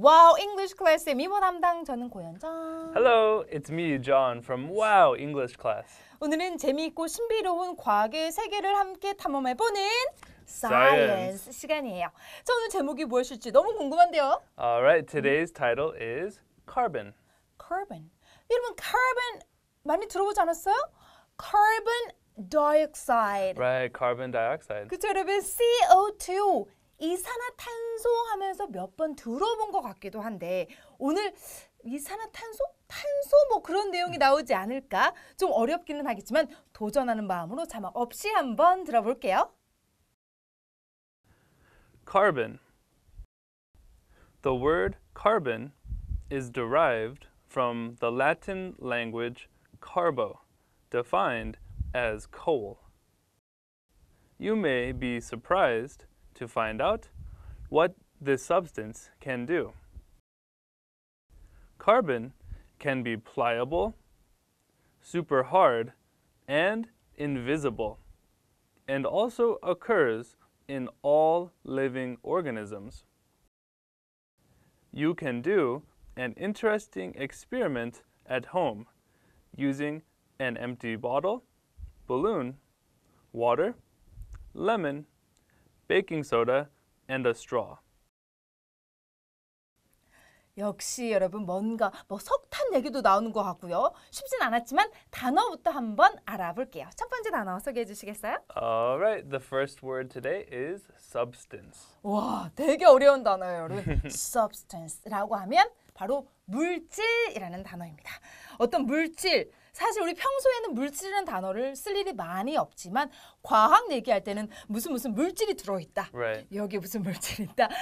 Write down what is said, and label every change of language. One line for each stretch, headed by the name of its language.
Korean: Wow English Class 미모 담당 저는 고현정.
English: Hello, it's me, John from Wow English Class.
Korean: 오늘은 재미있고 신비로운 과학의 세계를 함께 탐험해 보는
English: Science
Korean: 시간이에요. 자, 오늘 제목이 무엇일지 너무 궁금한데요.
English: All right, today's title is Carbon. Carbon.
Korean: 여러분, carbon 많이 들어보지 않았어요?
English: Carbon dioxide. Right, carbon dioxide.
Korean: 그쵸, 여러분, CO2. 이산화탄소 하면서 몇 번 들어본 것 같기도 한데 오늘 이산화탄소? 탄소 뭐 그런 내용이 나오지 않을까? 좀 어렵기는 하겠지만 도전하는 마음으로 자막 없이 한번 들어볼게요.
English: Carbon. The word carbon is derived from the Latin language carbo, defined as coal. You may be surprised to find out what this substance can do. Carbon can be pliable, super hard, and invisible, and also occurs in all living organisms. You can do an interesting experiment at home using an empty bottle, balloon, water, lemon, baking soda, and a straw.
Korean: 역시 여러분 뭔가 뭐 석탄 얘기도 나오는 것 같고요. 쉽진 않았지만 단어부터 한번 알아볼게요. 첫 번째 단어 소개해 주시겠어요?
English: Alright, the first word today is substance.
Korean: 와, 되게 어려운 단어예요, 여러분. substance라고 하면 바로 물질이라는 단어입니다. 어떤 물질, 사실 우리 평소에는 물질이라는 단어를 쓸 일이 많이 없지만 과학 얘기할 때는 무슨 무슨 물질이 들어있다.
English: Right.
Korean: 여기 무슨 물질이 있다.